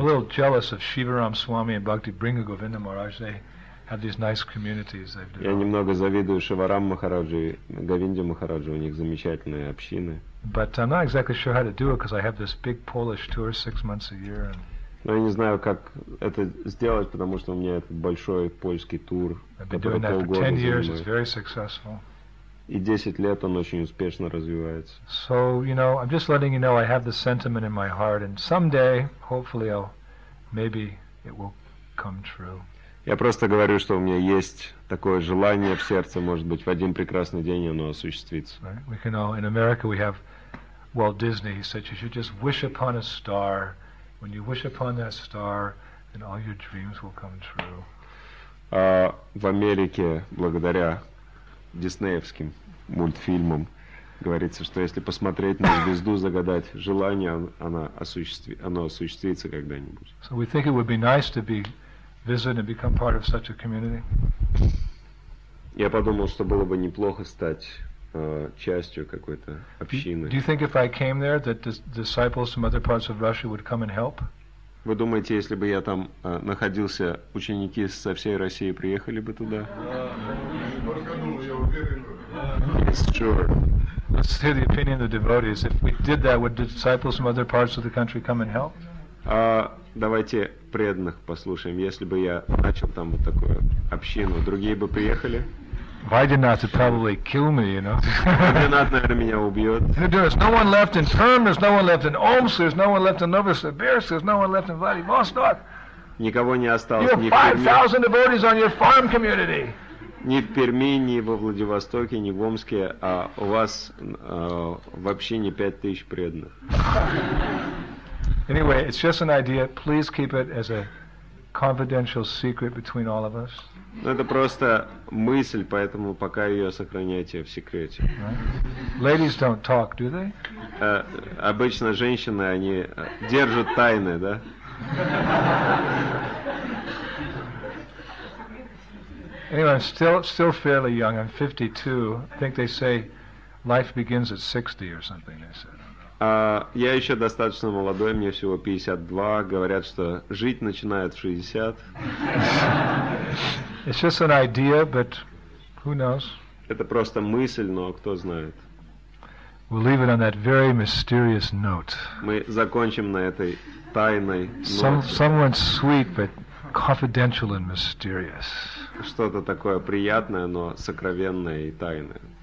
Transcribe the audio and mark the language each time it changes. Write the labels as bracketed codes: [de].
[en] I'm a little jealous of Shivaram Swami and Bhakti Bringa Govinda Maharaj. They have these nice communities they've developed. [ru] Я немного завидую Шиварам Махараджу и Говинде Махараджу. У них замечательные общины. [en] But I'm not exactly sure how to do it because I have this big Polish tour 6 months a year. And [ru] но я не знаю, как это сделать, потому что у меня этот большой польский тур. [en] I've been doing that for 10 years. It's very successful. [ru] И 10 лет он очень успешно развивается. [en] So, you know, I'm just letting you know I have this sentiment in my heart and someday, hopefully, maybe it will come true. [ru] Я просто говорю, что у меня есть такое желание в сердце, может быть, в один прекрасный день оно осуществится. [en] Right? We can all, in America we have Walt Disney. He said you should just wish upon a star. When you wish upon that star, then all your dreams will come true. [ru] В Америке, благодаря диснеевским мультфильмам, говорится, что если посмотреть на звезду, загадать желание, оно осуществится когда-нибудь. [en] So we think it would be nice to be visited and become part of such a community. [ru] Я подумал, что было бы неплохо стать частью какой-то общины. [en] Do you think if I came there that the disciples from other parts of Russia would come and help? [ru] Вы думаете, если бы я там находился, ученики со всей России приехали бы туда? [en] Yes, sure. Let's hear the opinion of the devotees. If we did that, would the disciples from other parts of the country come and help? [ru] Давайте преданных послушаем. Если бы я начал там вот такую общину, другие бы приехали? [en] If I did not, it'd probably kill me, you know. [ru] Vidyanath, наверное, меня убьет. [en] There's no one left in Perm, there's no one left in Omsk, there's no one left in Novosibirsk, there's no one left in Vladivostok. [ru] Никого не осталось. [en] You have 5,000 devotees on your farm community. [ru] Ни в Перми, ни во Владивостоке, ни в Омске, а у вас вообще не 5,000 преданных. [en] Anyway, it's just an idea. Please keep it as a confidential secret between all of us. [ru] Ну, это просто мысль, поэтому пока ее сохраняйте в секрете. [en] Ladies don't talk, do they? [ru] Обычно женщины, они держат тайны, да? [en] Yeah. Anyway, I'm still fairly young. I'm 52. I think they say life begins at 60 or something, they said. [ru] Я еще достаточно молодой, мне всего 52. Говорят, что жить начинает в 60. [en] It's just an idea, but who knows? [ru] Это просто мысль, но кто знает? [en] We'll leave it on that very mysterious note. [ru] Мы закончим на этой тайной ноте. [en] Someone sweet, but confidential and mysterious. [ru] Что-то такое приятное, но сокровенное и тайное.